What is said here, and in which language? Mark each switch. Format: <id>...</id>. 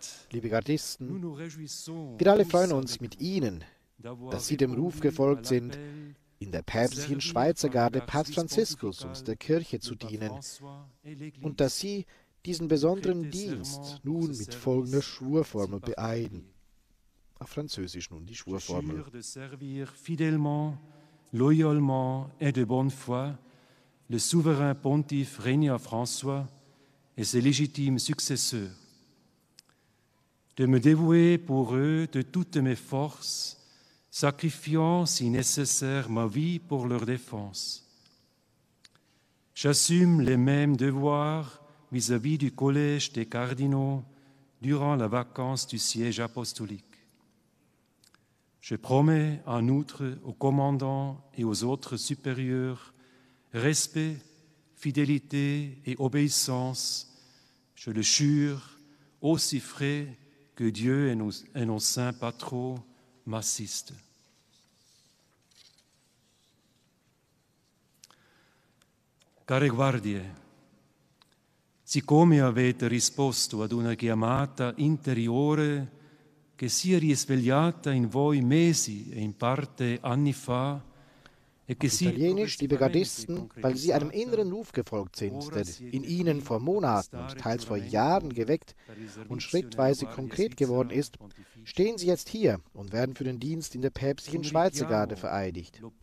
<de>Liebe Gardisten, wir alle freuen uns mit Ihnen, dass Sie dem Ruf gefolgt sind, in der päpstlichen Schweizer Garde Papst Franziskus und der Kirche zu dienen und dass Sie diesen besonderen Dienst nun mit folgender Schwurformel beeiden. Auf Französisch nun die Schwurformel.</de> <fr>Je jure de servir fidèlement, loyalement et de bonne foi le souverain pontife Régnier François et ses légitimes successeurs. De me dévouer pour eux de toutes mes forces, sacrifiant, si nécessaire, ma vie pour leur défense. J'assume les mêmes devoirs vis-à-vis du Collège des cardinaux durant la vacance du siège apostolique. Je promets en outre aux commandants et aux autres supérieurs respect, fidélité et obéissance, je le jure, aussi frais que Dieu et nos saints patrons m'assistent.</fr> <it>Care guardie, siccome avete risposto ad una chiamata interiore che si è risvegliata in voi mesi e in parte anni fa e che si...</it> <de>Italienisch, liebe Gardisten, weil Sie einem inneren Ruf gefolgt sind, der in Ihnen vor Monaten und teils vor Jahren geweckt und schrittweise konkret geworden ist, stehen Sie jetzt hier und werden für den Dienst in der päpstlichen Schweizer Garde vereidigt.</de>